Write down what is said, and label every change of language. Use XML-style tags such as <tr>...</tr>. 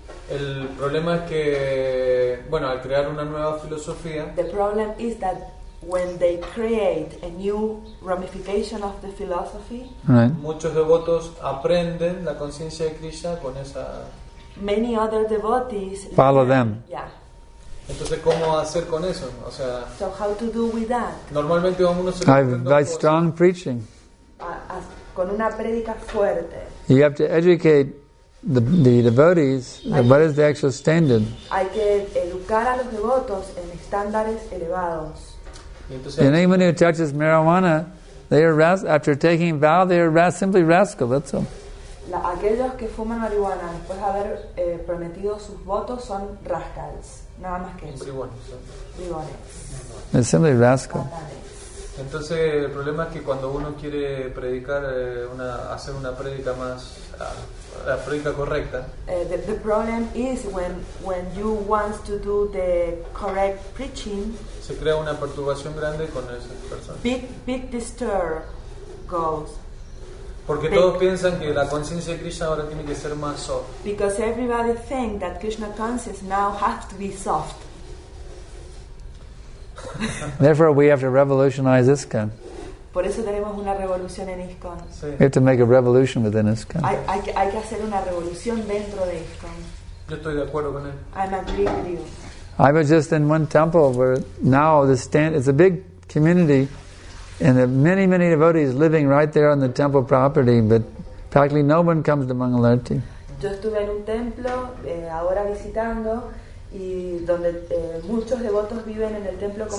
<es>El problema es que, bueno, al crear una nueva filosofía,</es> <en>the problem is that when they create a new ramification of the philosophy, right,</en> <es>muchos devotos aprenden la conciencia de Krishna con esa.</es> <en>Many other devotees follow them. Yeah.</en> <es>Entonces, ¿cómo hacer con eso? O sea,</es> <en>so how to do with that?</en> <es>Normalmente uno se</es> <en>by strong</en> <es>cosas.</es> <en>Preaching.</en> <es>Con una prédica fuerte.</es> <en>You have to educate the devotees. What is the actual standard?</en> <es>Hay que educar a los devotos en estándares elevados.</es> <en>And anyone who touches marijuana, they arrest, after taking a vow, they arrest, simply rascal, that's all.</en> <es>Aquellos que fuman marihuana después de haber prometido sus votos son rascals, nada más que eso. Bribones.</es> <en>It's simply rascal.</en> <es>Entonces, el problema es que cuando uno quiere predicar, hacer una predica más, la predica correcta.</es> <en>The problem is when you want to do the correct preaching.</en> <es>Se crea una perturbación grande con esas personas.</es> <en>Big disturb goes.</en> <es>Porque todos piensan que la conciencia de Krishna ahora tiene que ser más soft.</es> <en>Because everybody think that Krishna consciousness now has to be soft. Therefore, we have to revolutionize ISKCON.</en> <es>Por eso tenemos una revolución en ISKCON. Sí.</es> <en>We have to make a revolution within ISKCON.</en> <es>Hay que hacer una revolución dentro de ISKCON. Yo estoy de acuerdo con él.</es> <en>I'm agreeing with you. I was just in one temple where now the stand. It's a big community, and there are many, many devotees living right there on the temple property, but practically no one comes to Mangalarti.</en> <es>Yo estuve en un templo ahora visitando. Y donde muchos devotos viven en el templo como</es>